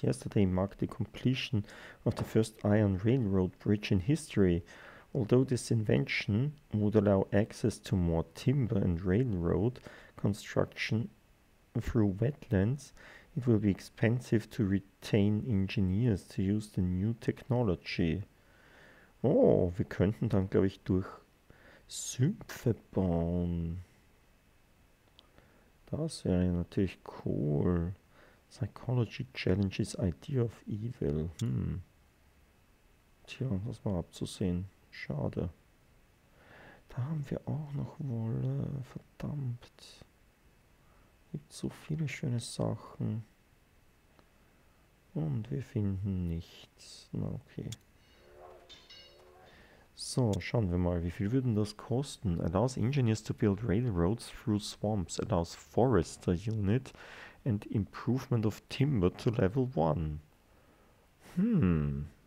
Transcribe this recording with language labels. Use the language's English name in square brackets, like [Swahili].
[English] Yesterday marked the completion of the first iron railroad bridge in history. Although this invention would allow access to more timber and railroad construction through wetlands, it will be expensive to retain engineers to use the new technology. [German] Oh, wir könnten dann, glaube ich, durch Sümpfe bauen. Das wäre ja natürlich cool. Psychology Challenges, Idea of Evil. Tja, das war abzusehen. Schade. Da haben wir auch noch Wolle. Verdammt. Gibt so viele schöne Sachen. Und wir finden nichts. Na, okay. So, schauen wir mal, wie viel würden das kosten? [English] Allows engineers to build railroads through swamps. Allows forester unit and improvement of timber to level 1.